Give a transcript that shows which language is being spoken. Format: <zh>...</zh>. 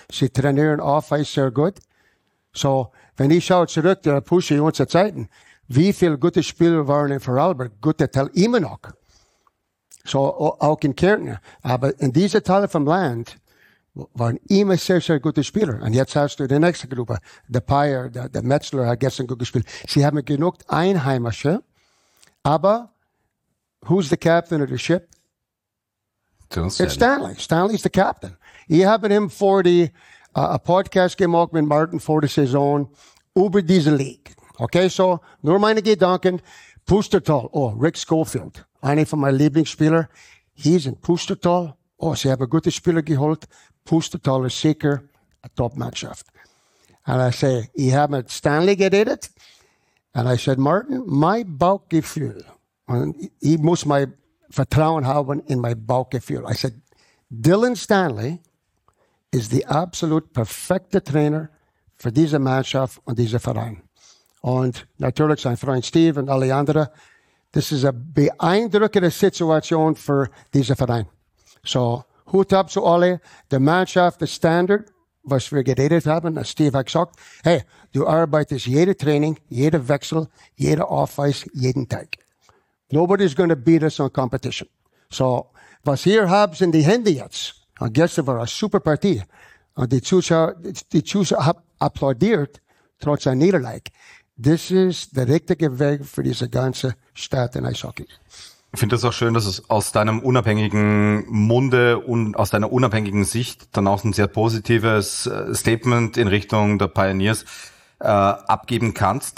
<de>Sie trainieren auf Eis sehr gut. So, wenn ich schaue zurück, der Pusche in unsere Zeiten, wie viele gute Spieler waren in Vorarlberg? Gute Teil immer noch. So, auch in Kärnten. Aber in diesem Teil vom Land, waren immer sehr, sehr gute Spieler. Und jetzt hast du die nächste Gruppe. Der Payer, der Metzler hat gestern gut gespielt. Sie haben genug Einheimische.</de> <en>Aber, who's the captain of the ship? It's Stanley. Stanley's the captain.</en> <de>Ich habe ihm vor die Podcast gemacht mit Martin vor der Saison über diese League. Okay, so, nur meine Gedanken. Pustertal. Oh, Rick Schofield. Einer von meinen Lieblingsspielern. He's in Pustertal. Oh, sie haben gute Spieler geholt. Pustertal ist sicher a Top-Mannschaft. And I say, ich habe mit Stanley geredet. And I said, Martin, my Bauchgefühl. Und ich muss mein Vertrauen haben in mein Bauchgefühl. I said, Dylan Stanley is the absolute perfekte Trainer für diese Mannschaft und diese Verein. Und natürlich sein Freund Steve und alle anderen. This is a beeindruckende Situation für diese Verein. So, Hut ab zu alle. Die Mannschaft, the Standard, was wir geredet haben, as Steve hat gesagt, hey, du arbeitest jede Training, jede Wechsel, jede Office, jeden Tag.</de> <en>Nobody's going to beat us on competition.</en> <de>So, was hier habt in die Hände jetzt, und gestern war eine super Partie, und die Zuschauer applaudiert, trotz einer Niederlage. This is the richtige Weg für diese ganze Stadt in Eishockey. Ich finde das auch schön, dass es aus deinem unabhängigen Munde und aus deiner unabhängigen Sicht dann auch ein sehr positives Statement in Richtung der Pioneers abgeben kannst.</de>